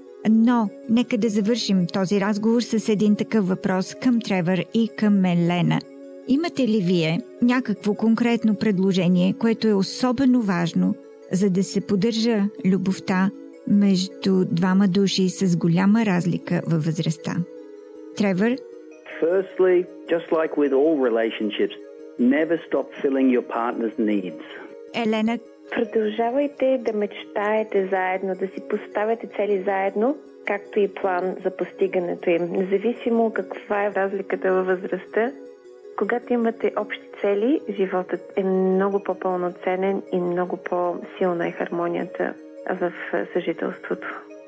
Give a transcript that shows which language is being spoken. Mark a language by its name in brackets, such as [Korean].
[Bulgarian] Но нека да завършим този разговор с един такъв въпрос към Тревър и към Елена. Имате ли вие някакво конкретно предложение, което е особено важно, за да се поддържа любовта между двама души с голяма разлика във възрастта? Тревър? [English] Firstly, just like with all relationships, never stop filling your partner's needs. [Bulgarian] Елена? Продължавайте да мечтаете заедно, да си поставяте цели заедно, както и план за постигането им. Независимо каква е разликата във възрастта, когато имате общи цели, животът е много по-пълноценен и много по-силна е хармонията в съжителството.